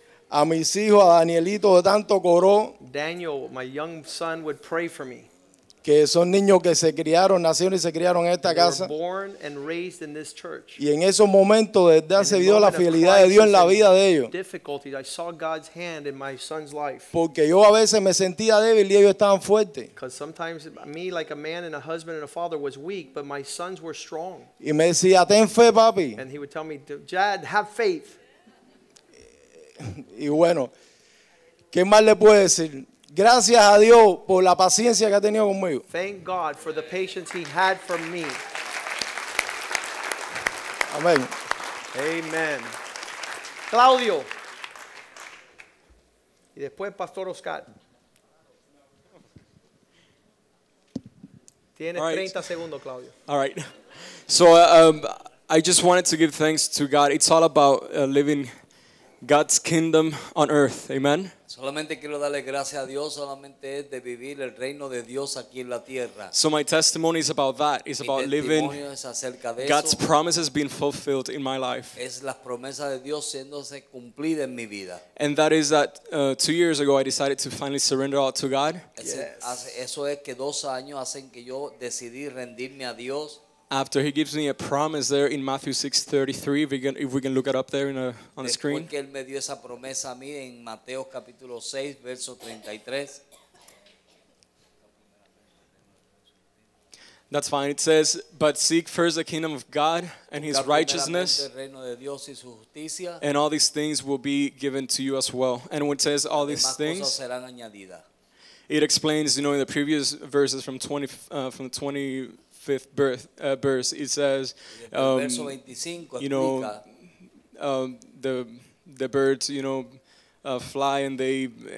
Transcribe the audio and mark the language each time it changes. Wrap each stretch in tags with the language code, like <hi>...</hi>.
<es>A mis hijos, a Danielito, de tanto coro.</es> <en>Daniel, my young son, would pray for me.</en> <es>Que son niños que se criaron, nacieron y se criaron en esta</es> <en>they</en> <es>casa.</es> <en>Were born and raised in this church.</en> <es>Y en esos momentos, desde hace vio la fidelidad de Dios en la vida de ellos.</es> <en>Difficulty, I saw God's hand in my son's life.</en> <es>Porque yo a veces me sentía débil y ellos estaban fuertes.</es> <en>Because sometimes me, like a man and a husband and a father, was weak, but my sons were strong.</en> <es>Y me decía, ten fe, papi.</es> <en>And he would tell me, Dad, have faith.</en> <es>Y bueno, ¿qué más le puedo decir? Gracias a Dios por la paciencia que ha tenido conmigo.</es> <en>Thank God for the patience he had for me.</en> <es>Amén.</es> <en>Amen. Claudio.</en> <es>Y después Pastor Oscar. Tienes 30 segundos, Claudio.</es> <en>All right. So I just wanted to give thanks to God. It's all about living God's kingdom on earth. Amen.</en> <es>Solamente quiero darle gracias a Dios, solamente es de vivir el reino de Dios aquí en la tierra.</es> <en>So my testimony is about that. It's about living God's promises being fulfilled in my life.</en> <es>Es la promesa de Dios siéndose cumplida en mi vida.</es> <en>And that is that 2 years ago I decided to finally surrender all to God. Yes.</en> <es>Eso es que 2 años hacen que yo decidí rendirme a Dios.</es> <en>After he gives me a promise there in Matthew 6:33, if we can look it up there on the screen.</en> <es>Porque él me dio esa promesa a mí en Mateo capítulo 6 verso 33.</es> <en>That's fine. It says, "But seek first the kingdom of God and his righteousness, and all these things will be given to you as well." And when it says all these things, it explains, you know, in the previous verses from 25th verse, it says, the birds, you know, fly and they.</en>